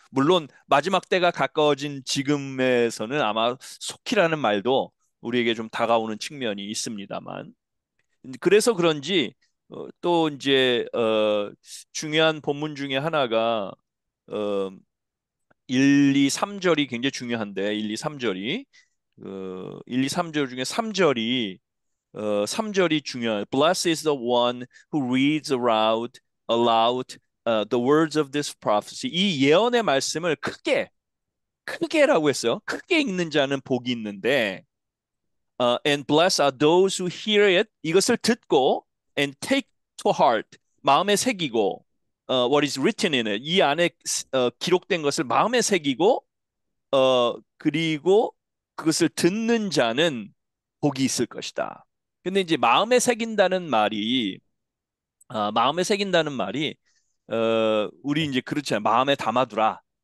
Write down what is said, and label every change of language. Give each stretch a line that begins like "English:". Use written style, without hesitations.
Korean: 물론 마지막 때가 가까워진 지금에서는 아마 속히라는 말도 우리에게 좀 다가오는 측면이 있습니다만, 그래서 그런지 또 이제 중요한 본문 중에 하나가 1, 2, 3절이 굉장히 중요한데, 1, 2, 3절이 1, 2, 3절 중에 3절이 중요해요.
English: Blessed is the one who reads aloud. The words of this prophecy.
Korean: 이 예언의 말씀을 크게라고 했어요. 크게 읽는 자는 복이 있는데,
English: and blessed are those who hear it.
Korean: 이것을 듣고,
English: and take to heart.
Korean: 마음에 새기고,
English: what is written in it.
Korean: 이 안에 기록된 것을 마음에 새기고, 그리고 그것을 듣는 자는 복이 있을 것이다. 근데 이제 마음에 새긴다는 말이, 마음에 새긴다는 말이, 우리 이제 그렇잖아요. 마음에 담아두라.